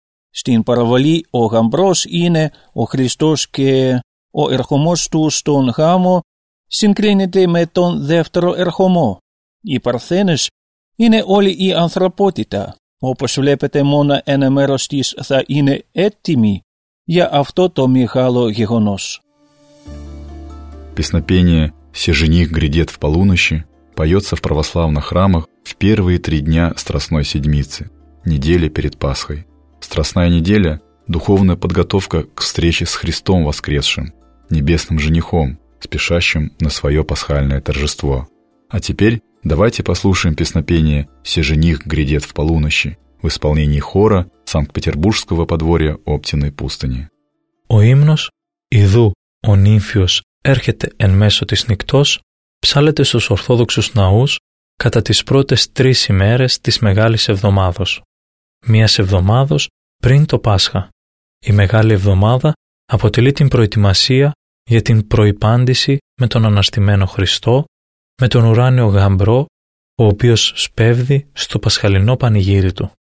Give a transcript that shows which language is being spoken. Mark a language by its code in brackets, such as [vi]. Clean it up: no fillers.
[el] Στην παραβολή ο γαμπρός είναι ο Χριστός και ο ερχομός του στον γάμο συγκρίνεται με τον δεύτερο ερχομό. Οι παρθένες είναι όλη η ανθρωπότητα. Όπως βλέπετε μόνο ένα μέρος της θα είναι έτοιμη για αυτό το μεγάλο γεγονός. [ru] Песнопение «Се жених грядет в полунощи» поется в православных храмах в первые 3 дня Страстной Седмицы, недели перед Пасхой. Страстная неделя – духовная подготовка к встрече с Христом воскресшим, небесным женихом, спешащим на свое пасхальное торжество. А теперь давайте послушаем песнопение «Се жених грядет в полунощи» в исполнении хора Санкт-Петербургского подворья Оптиной пустыни. [el] «О имнос, иду, о нимфиос». Έρχεται εν μέσω της νυχτός, ψάλλεται στους Ορθόδοξους ναούς κατά τις πρώτες 3 ημέρες της Μεγάλης Εβδομάδος. Μίας εβδομάδος πριν το Πάσχα. Η Μεγάλη Εβδομάδα αποτελεί την προετοιμασία για την προϋπάντηση με τον Αναστημένο Χριστό, με τον Ουράνιο Γαμπρό, ο οποίος σπέβδει στο Πασχαλινό Πανηγύρι του.